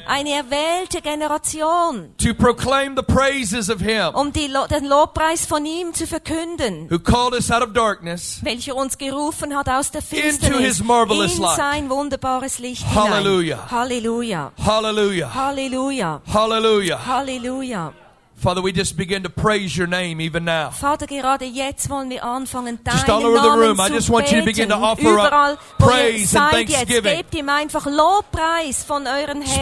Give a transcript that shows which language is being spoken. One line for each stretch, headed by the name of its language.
German: Eine erwählte Generation.
English: To proclaim the praises of him.
German: Um den Lobpreis von ihm zu verkünden.
English: Who called us out of darkness.
German: Welcher uns gerufen hat aus der Finsternis in sein wunderbares Licht hinein. Halleluja. Halleluja. Halleluja. Halleluja. Halleluja. Halleluja.
English: Father, we just begin to praise your name even now.
German: Vater, gerade jetzt wollen wir anfangen, deinen Namen zu beten.
English: Just all over the room, I just want you to begin to offer up praise and thanksgiving.
German: Jetzt gebt ihm einfach Lobpreis von euren Herzen.